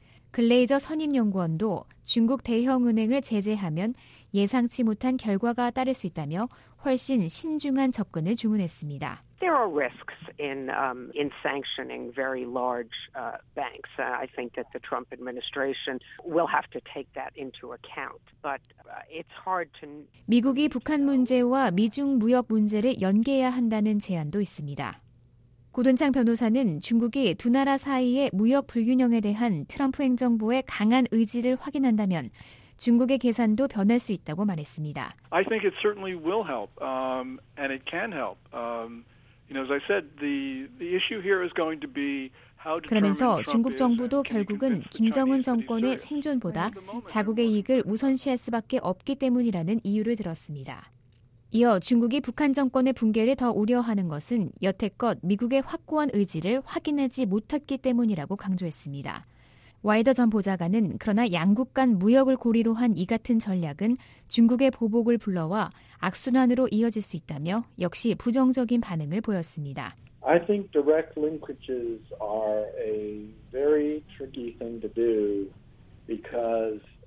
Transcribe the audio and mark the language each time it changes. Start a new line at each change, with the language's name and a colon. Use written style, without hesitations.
Korean: 글레이저 선임연구원도 중국 대형은행을 제재하면 예상치 못한 결과가 따를 수 있다며 훨씬 신중한 접근을 주문했습니다.
English: There are risks in sanctioning very large banks. I think that the Trump administration will have to take that into account. But it's hard to
Korean: 미국이 북한 문제와 미중 무역 문제를 연계해야 한다는 제안도 있습니다. 고든창 변호사는 중국이 두 나라 사이의 무역 불균형에 대한 트럼프 행정부의 강한 의지를 확인한다면 중국의 계산도 변할 수 있다고 말했습니다.
English: I think it certainly will help, and it can help. You know, as I said, the issue here is going to be
Korean: 그러면서 중국 정부도 결국은 김정은 정권의 생존보다 자국의 이익을 우선시할 수밖에 없기 때문이라는 이유를 들었습니다. 이어 중국이 북한 정권의 붕괴를 더 우려하는 것은 여태껏 미국의 확고한 의지를 확인하지 못했기 때문이라고 강조했습니다. 와이더 전 보좌관은 그러나 양국 간 무역을 고리로 한 이 같은 전략은 중국의 보복을 불러와 악순환으로 이어질 수 있다며 역시 부정적인 반응을 보였습니다.
English: I think direct linkages are a very tricky thing to do because